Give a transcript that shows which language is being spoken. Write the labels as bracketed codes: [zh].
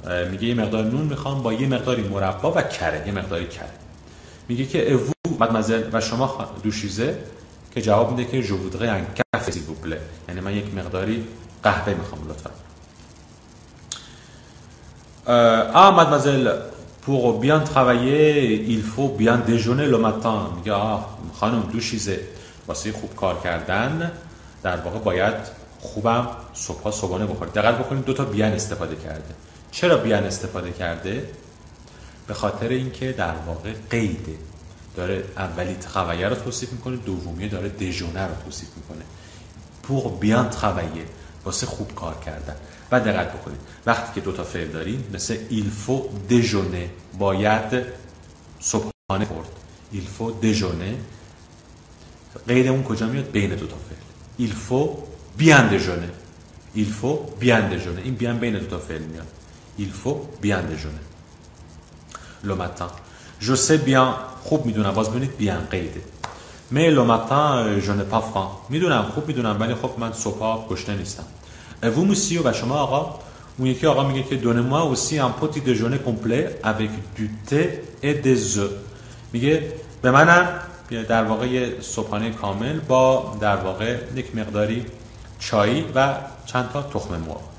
[fa] میگه یه مقدار نون میخوام با یه مقداری مربا و کره، یه مقداری کره. میگه که اوو مادمازل و شما دوشیزه، که جواب میده که [fr] je voudrais un café s'il vous plaît، [fa] یعنی من یک مقداری قهوه میخوام لطفا. [fr] مادمازل pour bien travailler il faut bien déjeuner le matin. [fa] یا خانم دوشیزه، واسه خوب کار کردن در واقع باید خوبم صبحانه بخورید. دقت بکنید دو تا بیان استفاده کرده. چرا بیان استفاده کرده؟ به خاطر اینکه در واقع قیده، داره اولی travailler رو توصیف میکنه، دومیه داره déjeuner رو توصیف میکنه. [fr] pour bien travailler، [fa] واسه خوب کار کردن. و دقت بکنید وقتی که دوتا فعل داریم مثل [fr] il faut déjeuner، [fa] باید صبحانه خورد، il faut déjeuner، قید اون کجا میاد؟ بین دوتا فعل. [fr] il faut bien déjeuner، [fa] il faut bien déjeuner، این بیان بین دوتا فعل میاد. [fr] il faut bien déjeuner le matin. je sais bien، [fa] خوب میدونم، باز ببینید بیان قیده. [fr] mais le matin je n'ai pas faim، [fa] میدونم، خوب میدونم، ولی خب من صبح گشنه نیستم. اوو موسیو و شما آقا، اون یکی آقا میگه که دونه ما اوسی ام پوتی دژونه کمپله اوک دو ته ای دزو، میگه به منم در واقع یه صبحانه کامل با در واقع یک مقداری چای و چند تا تخم مرغ.